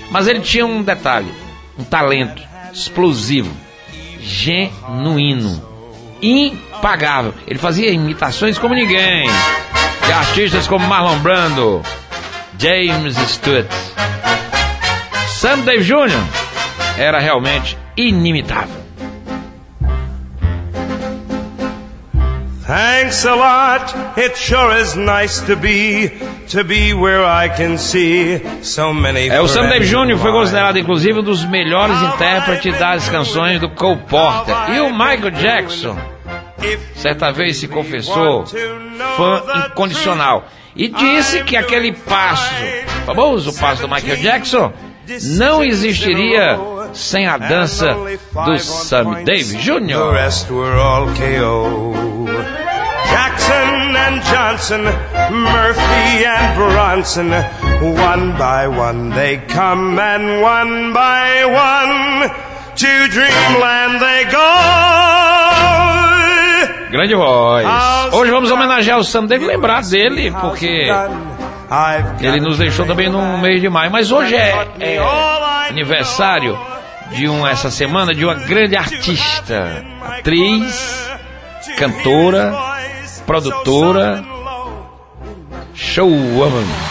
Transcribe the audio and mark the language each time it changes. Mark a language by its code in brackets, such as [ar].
[pt] Mas ele tinha um detalhe, um talento explosivo, genuíno, impagável. Ele fazia imitações como ninguém, de artistas como Marlon Brando, James Stewart. Sam Davis Jr. era realmente inimitável. [en] Thanks a lot, it sure is nice to be where I can see so many. [pt] É, o Sam Davis Jr. foi considerado inclusive um dos melhores intérpretes das canções do Cole Porter. E o Michael Jackson certa vez se confessou fã incondicional e disse que aquele passo, famoso passo do Michael Jackson, não existiria sem a dança do Sam Davis Jr. [en] The rest were all KO. Jackson and Johnson, Murphy and Bronson, one by one they come and one by one to dreamland they go. [pt] Grande voz. Hoje vamos homenagear o Sam Davis, lembrar dele, porque ele nos deixou também no mês de maio. Mas hoje é aniversário de essa semana de uma grande artista, atriz, cantora, produtora, showwoman.